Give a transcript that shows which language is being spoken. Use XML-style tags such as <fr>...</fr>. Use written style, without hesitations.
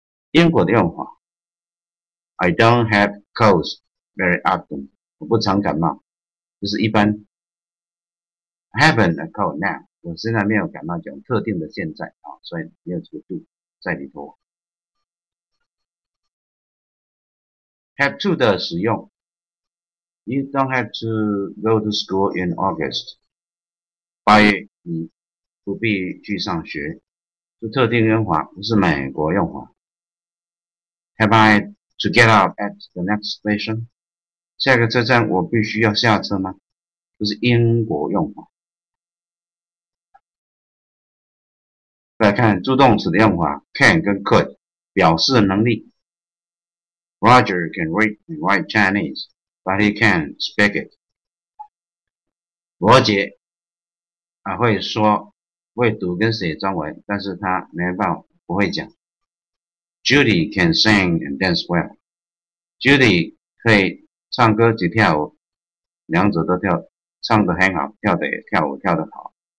<zh>英国的用法</zh> <en>，I don't have colds very often.</en> <zh>我不常感冒，就是一般。</zh> <en>I haven't a cold now.</en> <zh>我现在没有感冒，讲特定的现在啊，所以没有这个 do 在里头。</zh> <en>Have to</en> <zh>的使用</zh> <en>，You don't have to go to school in August.</en> <zh>八月你不必去上学，是特定用法，不是美国用法。</zh> <en>Have I to get up at the next station?</en> <zh>下个车站我必须要下车吗？不是英国用法。再看助动词的用法 ，can 跟 could 表示能力。</zh> <en>Roger can read and write Chinese, but he can't speak it.</en> <zh>罗杰啊会说会读跟写中文，但是他没办法不会讲。</zh> <en>Judy can sing and dance well.</en> <zh>Judy 可以唱歌及跳舞，两者都跳，唱得很好，跳得也跳舞跳得好。</zh>